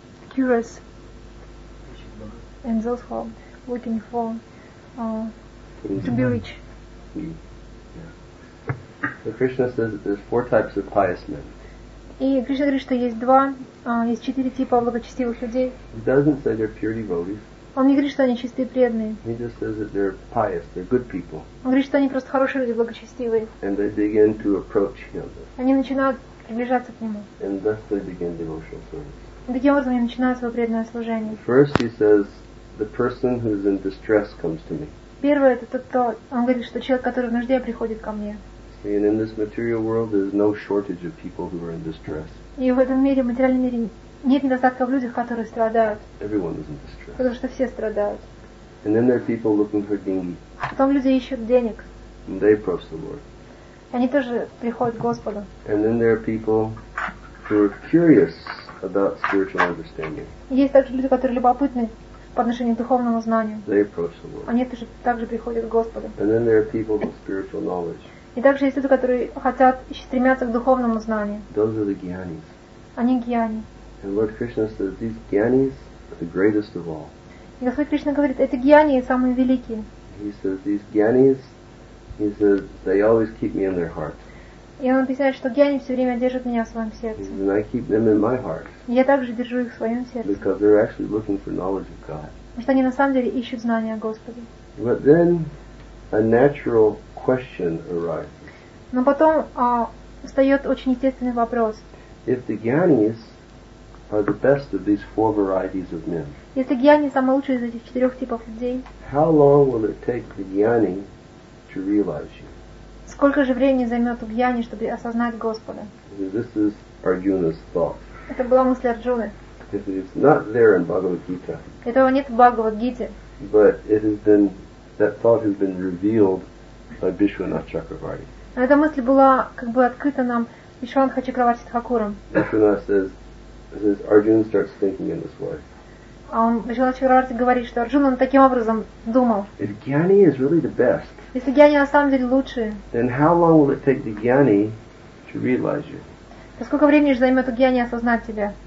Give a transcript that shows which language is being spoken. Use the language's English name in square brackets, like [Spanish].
[English] Curious. And those who are looking for to be rich. So Krishna says that there's four types of pious men. [Russian] И Кришна говорит, что есть два, есть четыре типа благочестивых людей. [English] He doesn't say they're pure devotees. [Russian] Он не говорит, что они чистые преданные. [English] He just says that they're pious, they're good people. [Russian] Он говорит, что они просто хорошие люди, благочестивые. [English] And they begin to approach him. [Russian] Они начинают приближаться к нему. [English] And thus they begin devotional service. [Russian] Таким образом, они начинают свое преданное служение. [English] First he says, the person who's in distress comes to me. [Russian] Первое это тот, кто, он говорит, что человек, который в нужде, приходит ко мне. [English] And in this material world, there's no shortage of people who are in distress. [Russian] И в этом мире, в материальном мире, нет недостатка в людях, которые страдают. [English] Everyone is in distress. [Russian] Потому что все страдают. [English] And then there are people looking for [Russian] деньги. Потом люди ищут денег. [English] And they approach the Lord. [Russian] Они тоже приходят к Господу. [English] And then there are people who are curious about spiritual understanding. [Russian] Есть также люди, которые любопытны по отношению к духовному знанию. [English] They approach the Lord. [Russian] Они тоже также приходят к Господу. [English] And then there are people with spiritual knowledge. [Russian] И также есть люди, которые хотят и стремятся к духовному знанию. [English] Those are the gyanis. [Russian] Они гьяни. [English] And Lord Krishna says these gyanis are the greatest of all. [Russian] И Господь Кришна говорит, эти гьяни самые великие. [English] He says these gyanis, he says they always keep me in their heart. [Russian] И он объясняет, что гьяни все время держат меня в своем сердце. [English] And I keep them in my heart. [Russian] Я также держу их в своем сердце. [English] Because they're actually looking for knowledge of God. [Russian] Потому что они на самом деле ищут знания о Господе. [English] But then a natural question arises. [Russian] Но потом встает очень естественный вопрос. [English] If the gyanis are the best of these four varieties of men, [Russian] если гьяни самые лучшие из этих четырех типов людей, [English] how long will it take the gyani to realize you. [Russian] Сколько же времени займет у Гьяни, чтобы осознать Господа? [English] This is Arjuna's thought. [Russian] Это была мысль Арджуны. [English] It's not there in Bhagavad Gita. [Russian] Этого нет в Бхагавад Гите. [English] But it has been that thought has been revealed by Bishwanath Chakravarti. [Russian] Эта мысль была как бы открыта нам Вишванха Чакраварти Тхакуром. [English] Bishwanath says Arjuna starts thinking in this way. [Russian] Вишванха Чакраварти говорит, что Арджуна таким образом думал. [English] If Gyani is really the best, [Russian] если Гьяни на самом деле лучшие, [English] then how long will it take the Gyani to realize you? [Russian] То сколько времени же займет у Гьяни осознать тебя?